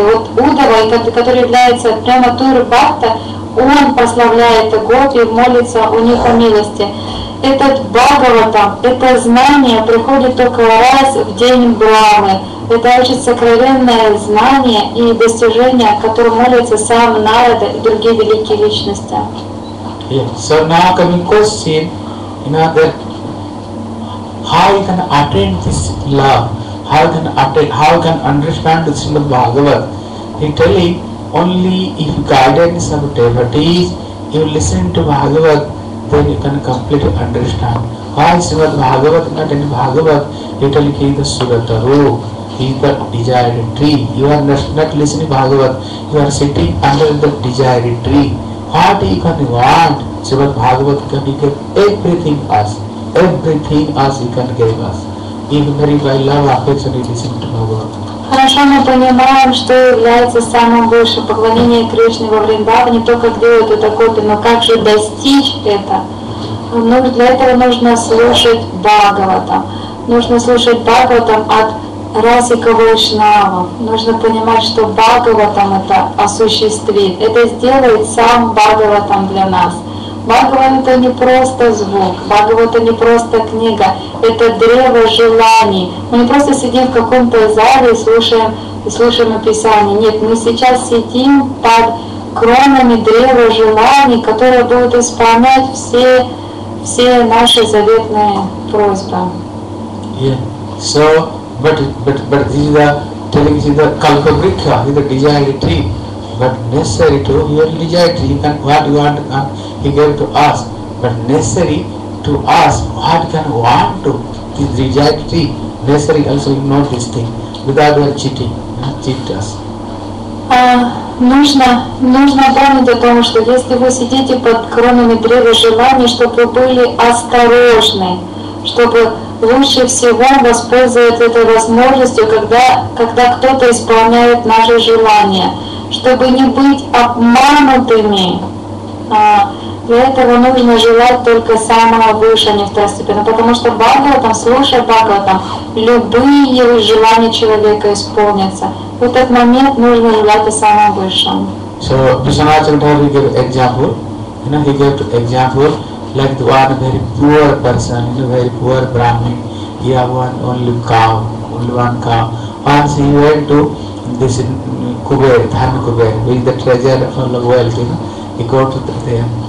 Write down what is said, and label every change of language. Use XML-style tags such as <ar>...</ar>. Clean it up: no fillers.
<ru>Вот Уддава, который является Прематур Бхакта, он прославляет гопи, молится у них о милости. Этот Бхагавата, это знание приходит только раз в день Брахмы. Это очень сокровенное знание и достижение, которое молится сам Нарада и другие великие личности.</ru> <en>Yes. So now coming question, you know, that how you can attain this love, how you can understand the Srimad Bhagavat. He telling only if you guidance of devotees, you listen to Bhagavat, then you can completely understand. Why Srimad Bhagavat, not any Bhagavat? He telling he is the Surataru, he is the desired tree. You are not listening to Bhagavat, you are sitting under the desired tree. What you can want, Srimad Bhagavat can give everything us. Everything us you can give us. Even very by love, affection, it is into Bhagavat.</en> <ru>Хорошо, мы понимаем, что является самым высшим поклонением Кришне во Вриндаване, то, как делают это гопи, но как же достичь это? Ну, для этого нужно слушать Бхагаватам. Нужно слушать Бхагаватам от Расика Вайшнава. Нужно понимать, что Бхагаватам это осуществит. Это сделает сам Бхагаватам для нас. Бхагаватам это не просто звук, Бхагаватам не просто книга. Это древо желаний. Мы не просто сидим в каком-то зале и слушаем описание. Нет, мы сейчас сидим под кронами древа желаний, которые будут исполнять все наши заветные просьбы.</ru> <en>Yeah. So... But this is the telling is the kalpavriksha, is the desire tree. But necessary to your desire tree, you can what you want he gave to us. But necessary to us, what can want to this desire tree, necessary also you know this thing. Without your cheating, you cheat us.</en> <ru>Нужно помнить о том, что если вы сидите под кронами древа желаний, чтобы вы были осторожны, чтобы лучше всего воспользоваться этой возможностью, когда кто-то исполняет наши желания. Чтобы не быть обманутыми, для этого нужно желать только самого высшего, не второстепенного. Потому что Бхагаватам, слушая Бхагаватам, любые желания человека исполнятся. В этот момент нужно желать о самом высшем.</ru> <en>So, Vishwanath Chakravarti gave example. You know, he gave example. Like the one very poor person, you know, very poor Brahmin, he have one only one cow. Once he went to this Kuber, Dharma Kuber, who is the treasure of all the wealth, you know, he go to them.</en>